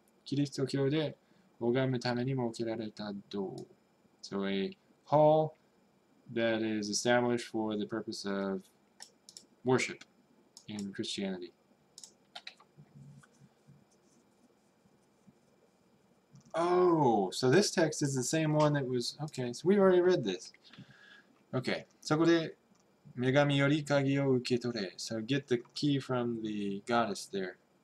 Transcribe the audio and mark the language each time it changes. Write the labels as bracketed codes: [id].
[ja] キリスト教で拝むために設けられた堂. [en] So a hall that is established for the purpose of worship in Christianity. Oh, so this text is the same one that was... Okay, so we already read this. Okay, so go to... [ja] 女神より鍵を受け取れ. [en] So get the key from the goddess there.